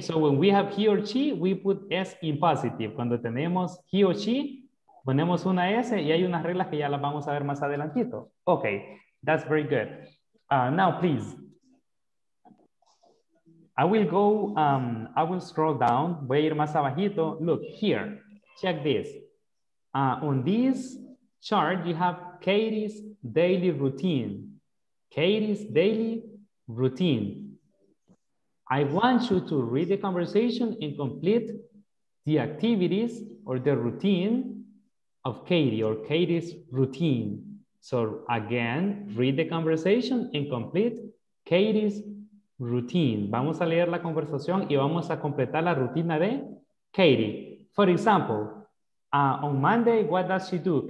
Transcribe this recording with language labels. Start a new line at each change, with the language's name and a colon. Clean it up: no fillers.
English: So when we have he or chi, we put S in positive.
Spanish: Cuando tenemos
English: he or chi,
Spanish: ponemos una S y hay unas reglas que ya las vamos a ver más adelantito.
English: Okay, that's very good. Now please, I will scroll down,
Spanish: voy a ir más abajito.
English: Look here, check this, on this chart, you have Katie's daily routine. Katie's daily routine. I want you to read the conversation and complete the activities or the routine of Katie or Katie's routine. So again, read the conversation and complete Katie's routine.
Spanish: Vamos a leer la conversación y vamos a completar la rutina de Katie.
English: For example, on Monday, what does she do?